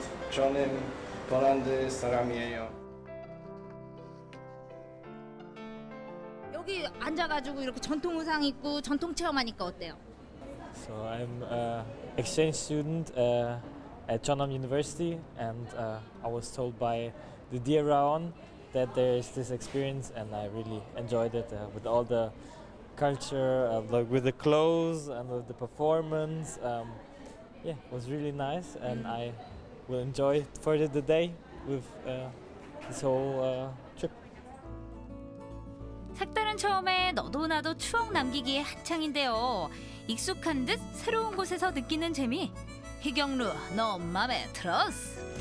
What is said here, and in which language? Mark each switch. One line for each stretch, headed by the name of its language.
Korean: 저는 폴란드 사람이에요. 여기 앉아가지고 이렇게 전통 의상 입고 전통 체험하니까 어때요?
English: So I'm an exchange student at Chonam University, and I was told by the dear Raon that there is this experience, and I really enjoyed it with all the culture, like with the clothes and with the performance. Yeah, it was really nice, and I will enjoy further the day with this whole trip.
Korean: 색다른 처음에 너도 나도 추억 남기기에 한창인데요. 익숙한 듯 새로운 곳에서 느끼는 재미. 희경루, 너 맘에 들었어?